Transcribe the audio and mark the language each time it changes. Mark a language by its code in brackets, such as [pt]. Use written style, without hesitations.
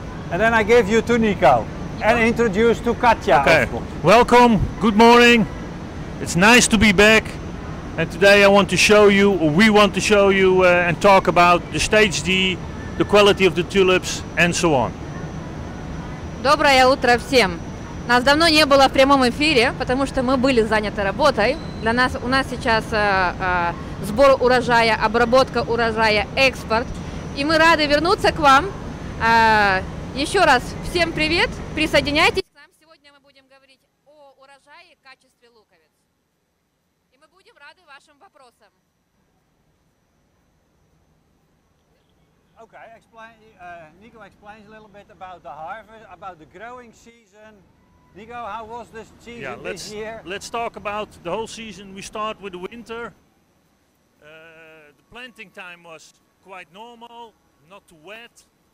[en] And then I give you to Nico and introduce to Katja. Okay. Welcome, good morning. It's nice to be back. And today I want to show you, or we want to show you and talk about the stage D, the quality of the tulips, and so on. [ru] Доброе утро всем. Нас давно не было в прямом эфире, потому что мы были заняты работой. Для нас, у нас сейчас сбор урожая, обработка урожая, экспорт. И мы рады вернуться к вам. Еще раз всем привет. Присоединяйтесь к нам. Сегодня мы будем говорить о урожае и качестве луковиц. И мы будем рады вашим вопросам. [en] Okay, Nico explains a little bit about the harvest, about the growing season. Nico, how was this season this year? Let's talk about the whole season. We start with the winter. The planting time was quite normal, not too wet.